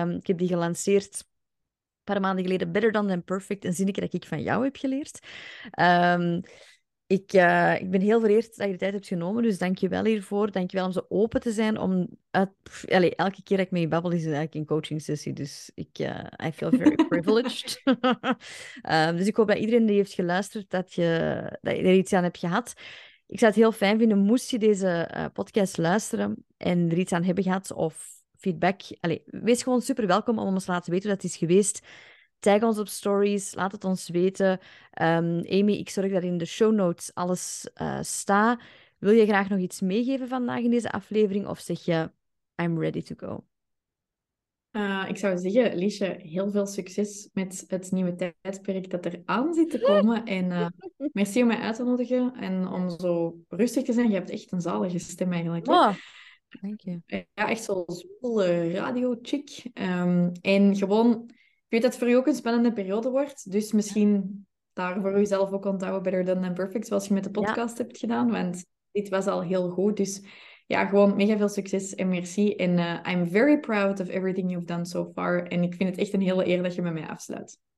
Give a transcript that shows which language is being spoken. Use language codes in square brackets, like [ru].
[nl] Ik heb die gelanceerd een paar maanden geleden, Better Done Than Perfect, een zinnetje dat ik van jou heb geleerd. Ik ben heel vereerd dat je de tijd hebt genomen, dus dank je wel hiervoor. Dank je wel om zo open te zijn. Om elke keer dat ik met je babbel, is het eigenlijk een coaching sessie. [en] Dus I feel very privileged. [nl] dus ik hoop dat iedereen die heeft geluisterd, dat je er iets aan hebt gehad. Ik zou het heel fijn vinden, moest je deze podcast luisteren en er iets aan hebben gehad of feedback. Wees gewoon super welkom om ons te laten weten hoe dat is geweest. Tag ons op stories, laat het ons weten. Amy, ik zorg dat in de show notes alles staat. Wil je graag nog iets meegeven vandaag in deze aflevering? Of zeg je, [en] I'm ready to go? [nl] Ik zou zeggen, Liesje, heel veel succes met het nieuwe tijdperk dat eraan zit te komen. En merci om mij uit te nodigen en om zo rustig te zijn. Je hebt echt een zalige stem eigenlijk. Wow. Dank je. Ja, echt zo'n zwolle radio-chick. En gewoon, ik weet dat het voor je ook een spannende periode wordt. Dus misschien daar voor jezelf ook onthouden, Better Done Than Perfect, zoals je met de podcast hebt gedaan. Want dit was al heel goed, dus... Ja, gewoon mega veel succes en merci. [en] En I'm very proud of everything you've done so far. [nl] En ik vind het echt een hele eer dat je met mij afsluit.